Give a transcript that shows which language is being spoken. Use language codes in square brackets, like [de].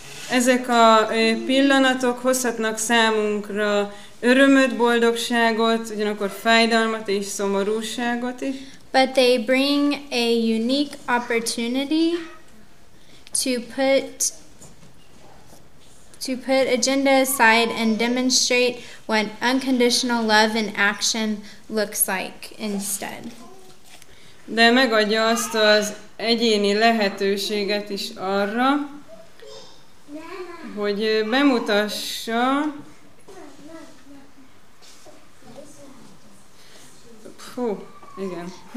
[hu] Ezek a pillanatok hozhatnak számunkra örömöt, boldogságot, ugyanakkor fájdalmat és szomorúságot is. [en] But they bring a unique opportunity to put agenda aside and demonstrate what unconditional love in action looks like instead. [hu] De megadja azt az egyéni lehetőséget is arra, hogy bemutassa, igen.